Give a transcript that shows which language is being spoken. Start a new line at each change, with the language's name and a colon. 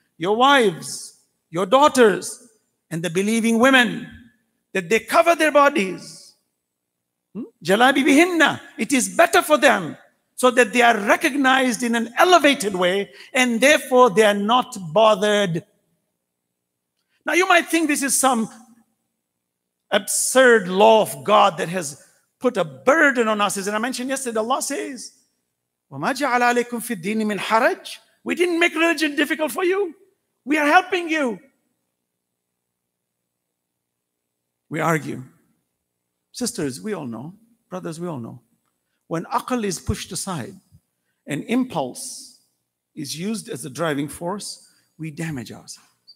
English: Your wives, your daughters, and the believing women, that they cover their bodies. Jalabi bihinna. It is better for them so that they are recognized in an elevated way and therefore they are not bothered. Now you might think this is some absurd law of God that has put a burden on us. As I mentioned yesterday, Allah says,
Arabic: وَمَا جَعَلَ عَلَيْكُمْ فِي الدِّينِ مِنْ حَرَجٍ.
English: We didn't make religion difficult for you. We are helping you. We argue. Sisters, we all know. Brothers, we all know. When aql is pushed aside and impulse is used as a driving force, we damage ourselves.